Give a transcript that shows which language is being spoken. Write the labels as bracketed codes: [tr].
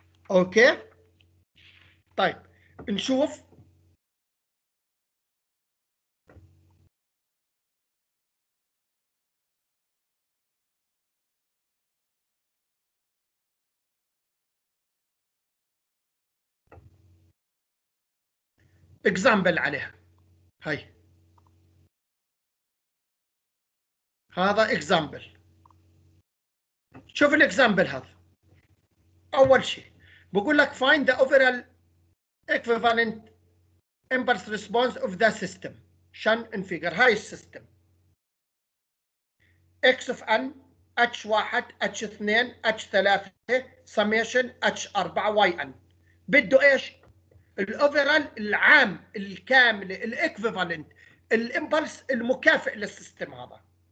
[ar] اوكي طيب نشوف اكزامبل عليها. هاي هذا اكزامبل، شوف الاكزامبل هذا. اول شيء بقول لك [en] find the overall equivalent impulse response of the system shown in figure. [ar] هاي السيستم x of n h1 h2 h3 summation h4 yn، بده ايش؟ الاوفرال العام الكامل الاكفيفالنت الامبلس المكافئ للسيستم هذا.